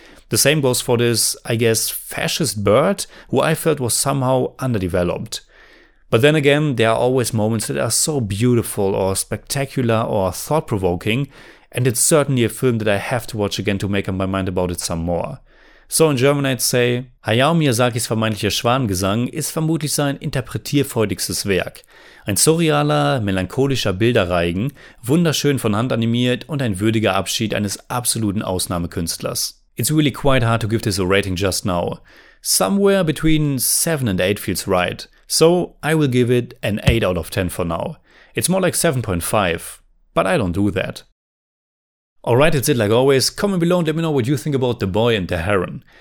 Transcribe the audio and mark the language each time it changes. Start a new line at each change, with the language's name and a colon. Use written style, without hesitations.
English: The same goes for this, I guess, fascist bird, who I felt was somehow underdeveloped. But then again, there are always moments that are so beautiful or spectacular or thought-provoking, and it's certainly a film that I have to watch again to make up my mind about it some more. So in German I'd say,
German: Hayao Miyazakis vermeintlicher Schwanengesang ist vermutlich sein interpretierfreudigstes Werk. Ein surrealer, melancholischer Bilderreigen, wunderschön von Hand animiert und ein würdiger Abschied eines absoluten Ausnahmekünstlers.
English: It's really quite hard to give this a rating just now. Somewhere between 7 and 8 feels right. So I will give it an 8 out of 10 for now. It's more like 7.5, but I don't do that. Alright, that's it like always. Comment below and let me know what you think about The Boy and the Heron.